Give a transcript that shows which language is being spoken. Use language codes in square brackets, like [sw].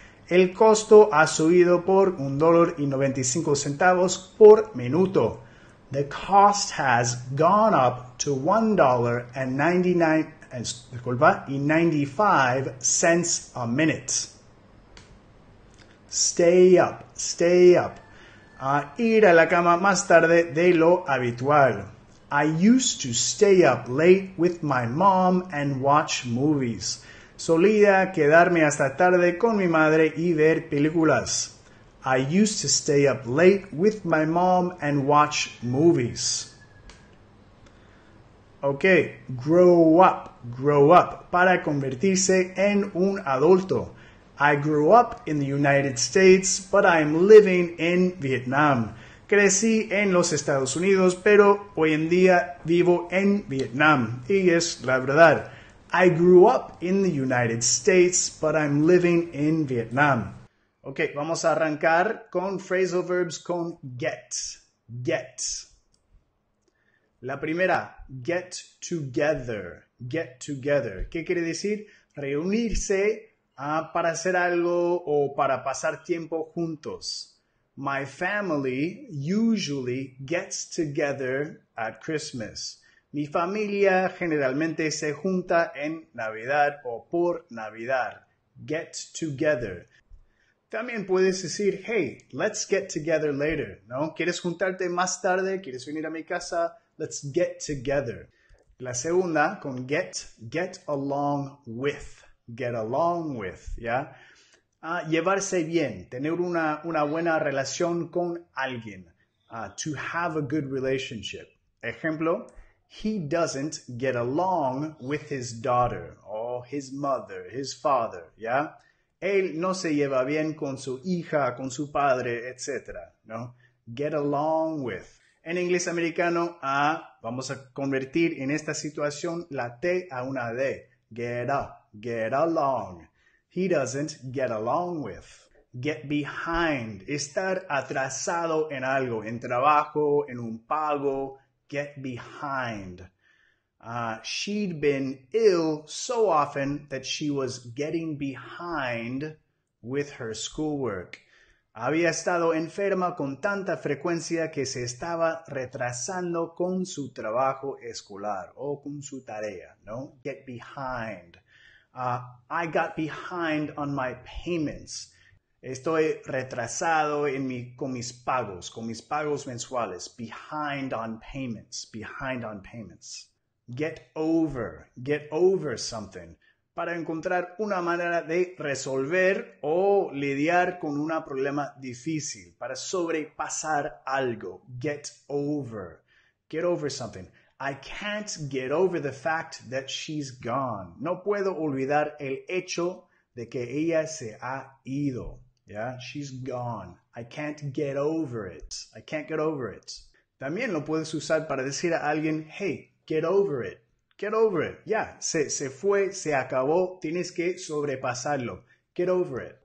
[es] El costo ha subido por $1.95 por minuto. [en] The cost has gone up to $1.95 a minute. Stay up, stay up. [es] Ir a la cama más tarde de lo habitual. [en] I used to stay up late with my mom and watch movies. [es] Solía quedarme hasta tarde con mi madre y ver películas. [en] I used to stay up late with my mom and watch movies. [es] Okay, grow up, para convertirse en un adulto. [en] I grew up in the United States, but I'm living in Vietnam. [es] Crecí en los Estados Unidos, pero hoy en día vivo en Vietnam. Y es la verdad. [en] I grew up in the United States, but I'm living in Vietnam. [es] Okay, vamos a arrancar con phrasal verbs con get. Get. La primera, get together. Get together. ¿Qué quiere decir? Reunirse para hacer algo o para pasar tiempo juntos. [en] My family usually gets together at Christmas. [es] Mi familia generalmente se junta en Navidad o por Navidad. [en] Get together. [es] También puedes decir, [en] hey, let's get together later, ¿no? [es] ¿Quieres juntarte más tarde? ¿Quieres venir a mi casa? [en] Let's get together. [es] La segunda, con [en] get along with. Get along with, ¿ya? [es] Llevarse bien, tener una buena relación con alguien. [en] To have a good relationship. Ejemplo, he doesn't get along with his daughter or his mother, his father, ¿ya? [es] Él no se lleva bien con su hija, con su padre, etc., ¿no? Get along with. En inglés americano, vamos a convertir en esta situación la T a una D. [en] Get up, get along. He doesn't get along with. [es] Get behind. Estar atrasado en algo, en trabajo, en un pago. [en] Get behind. She'd been ill so often that she was getting behind with her schoolwork. [es] Había estado enferma con tanta frecuencia que se estaba retrasando con su trabajo escolar o con su tarea, ¿no? [en] Get behind. I got behind on my payments. [es] Estoy retrasado con mis pagos mensuales. [en] Behind on payments. Behind on payments. Get over. Get over something. [es] Para encontrar una manera de resolver o lidiar con un problema difícil, para sobrepasar algo. [en] Get over. Get over something. I can't get over the fact that she's gone. [es] No puedo olvidar el hecho de que ella se ha ido. [en] Yeah, she's gone. I can't get over it. I can't get over it. [es] También lo puedes usar para decir a alguien, [en] hey, get over it. Get over it. Yeah, [es] se fue, se acabó. Tienes que sobrepasarlo. [en] Get over it.